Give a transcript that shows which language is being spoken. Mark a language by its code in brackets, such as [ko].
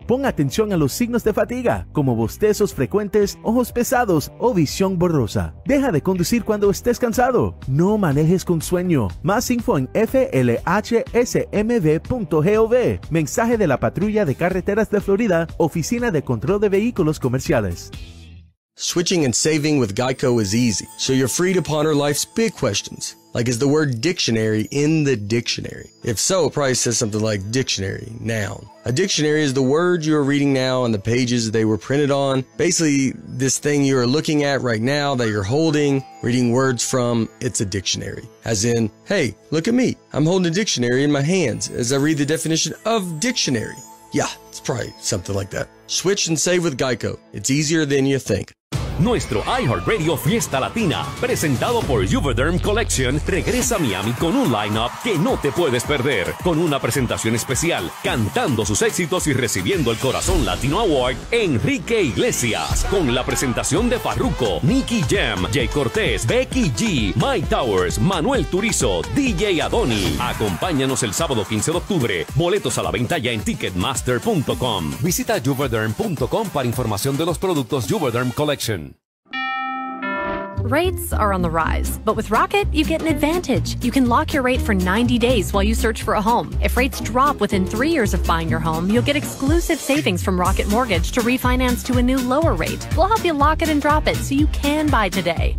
[es] Pon atención a los signos de fatiga, como bostezos frecuentes, ojos pesados o visión borrosa. Deja de conducir cuando estés cansado. No manejes con sueño. Más info en flhsmb.gov. Mensaje de la Patrulla de Carreteras de Florida, Oficina de Control de Vehículos Comerciales. [en] Switching and saving with GEICO is easy, so you're free to ponder life's big questions. Like, is the word dictionary in the dictionary? If so, it probably says something like dictionary, noun. A dictionary is the word you are reading now on the pages they were printed on. Basically, this thing you are looking at right now that you're holding, reading words from, it's a dictionary. As in, hey, look at me. I'm holding a dictionary in my hands as I read the definition of dictionary. Yeah, it's probably something like that. Switch and save with GEICO. It's easier than you think. [es] Nuestro iHeartRadio Fiesta Latina, presentado por Juvederm Collection, regresa a Miami con un lineup que no te puedes perder, con una presentación especial, cantando sus éxitos y recibiendo el Corazón Latino Award, Enrique Iglesias, con la presentación de Farruko, Nicky Jam, Jay Cortez, Becky G, Mike Towers, Manuel Turizo, DJ Adoni. Acompáñanos el sábado 15 de octubre. Boletos a la venta ya en Ticketmaster.com. Visita Juvederm.com para información de los productos Juvederm Collection. [en] Rates are on the rise, but with Rocket, you get an advantage. You can lock your rate for 90 days while you search for a home. If rates drop within 3 years of buying your home, you'll get exclusive savings from Rocket Mortgage to refinance to a new lower rate. We'll help you lock it and drop it so you can buy today.